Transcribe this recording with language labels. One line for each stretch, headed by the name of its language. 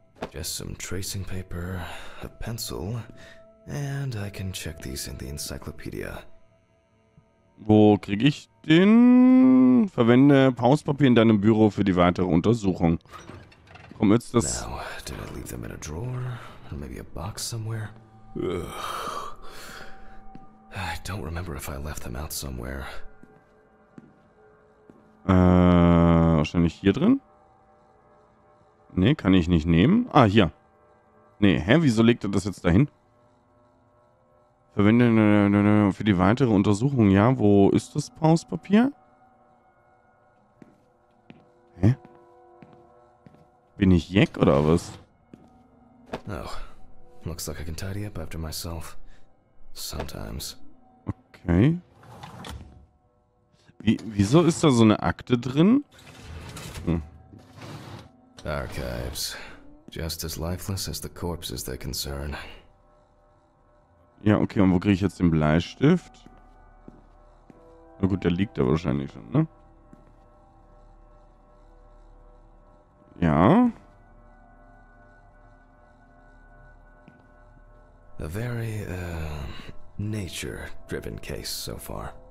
English: Just some tracing paper, a pencil, and I can check these in the encyclopedia.
German: Wo krieg ich den? Verwende Pauspapier in deinem Büro für die weitere Untersuchung. Komm jetzt das.
English: Now, did I leave them in a drawer? Or maybe a box somewhere? I don't remember if I left them out somewhere.
German: Wahrscheinlich hier drin? Nee, kann ich nicht nehmen. Ah, hier. Nee, hä, wieso legt er das jetzt dahin? Verwende für die weitere Untersuchung, ja, wo ist das Pauspapier? Hä? Bin ich Jack oder was?
English: Oh, looks like I can tidy up after myself. Sometimes.
German: Okay. Wieso ist da so eine Akte drin?
English: Archives. Just as lifeless as the corpses they concern.
German: Ja, okay, und wo kriege ich jetzt den Bleistift? Na gut, der liegt da wahrscheinlich schon, ne? Ja.
English: A very, nature-driven case so far.